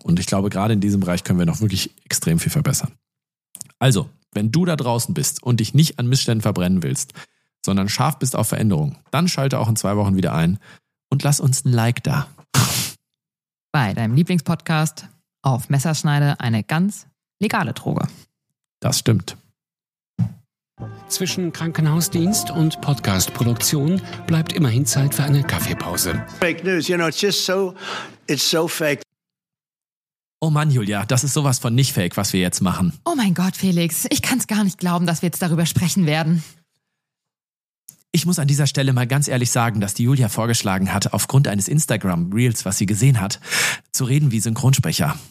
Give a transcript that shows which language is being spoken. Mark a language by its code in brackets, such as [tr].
[de] Und ich glaube, gerade in diesem Bereich können wir noch wirklich extrem viel verbessern. Also, wenn du da draußen bist und dich nicht an Missständen verbrennen willst, sondern scharf bist auf Veränderung, dann schalte auch in 2 Wochen wieder ein und lass uns ein Like da. Bei deinem Lieblingspodcast auf Messerschneide, eine ganz legale Droge. Das stimmt. Zwischen Krankenhausdienst und Podcastproduktion bleibt immerhin Zeit für eine Kaffeepause. [en] Fake news, you know, it's just so, it's so fake. [de] Oh Mann, Julia, das ist sowas von nicht fake, was wir jetzt machen. Oh mein Gott, Felix, ich kann's gar nicht glauben, dass wir jetzt darüber sprechen werden. Ich muss an dieser Stelle mal ganz ehrlich sagen, dass die Julia vorgeschlagen hat, aufgrund eines Instagram-Reels, was sie gesehen hat, zu reden wie Synchronsprecher.